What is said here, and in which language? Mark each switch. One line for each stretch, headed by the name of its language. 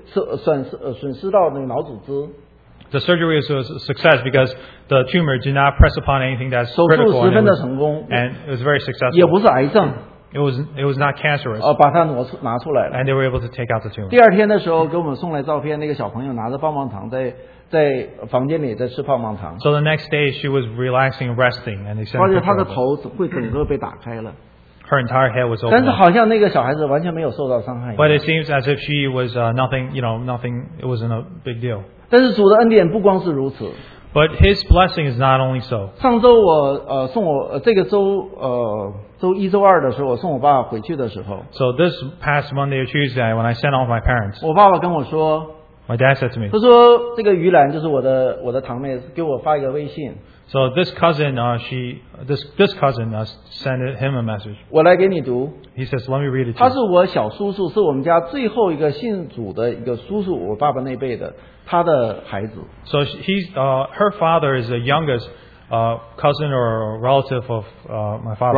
Chinese: 他那个瘤长的地方也不是压迫，虽然压迫脑神经，但不会损失到那个脑组织。
English: The surgery was a success because the tumor did not press upon anything that's critical, and it was very successful.
Chinese: 也不是癌症,
English: it was not cancerous.
Chinese: 把它拿出来了,
English: and they were able to take out the tumor.
Chinese: 第二天的时候给我们送来照片, 那个小朋友拿着棒棒糖在房间里在吃棒棒糖。
English: So the next day she was relaxing, resting, and they sent her.
Chinese: 发现她的头会整个被打开了。
English: Her entire head was open.
Chinese: 但是好像那个小孩子完全没有受到伤害。
English: But it seems as if she was nothing, it wasn't a big deal.
Chinese: 但是主的恩典不光是如此。
English: But his blessing is not only so.
Chinese: 上周我送我这个周一周二的时候，我送我爸回去的时候。
English: So this past Monday or Tuesday, when I sent off my parents,
Chinese: 我爸爸跟我说,
English: my dad said to me,
Chinese: 他说这个于兰就是我的堂妹给我发一个微信。
English: So this cousin, sent him a message.
Chinese: 我来给你读。
English: He says, let me read it to
Chinese: 他是我小叔叔，是我们家最后一个信主的一个叔叔，我爸爸那辈的。他的孩子.
English: So he's her father is the youngest cousin or relative of my father.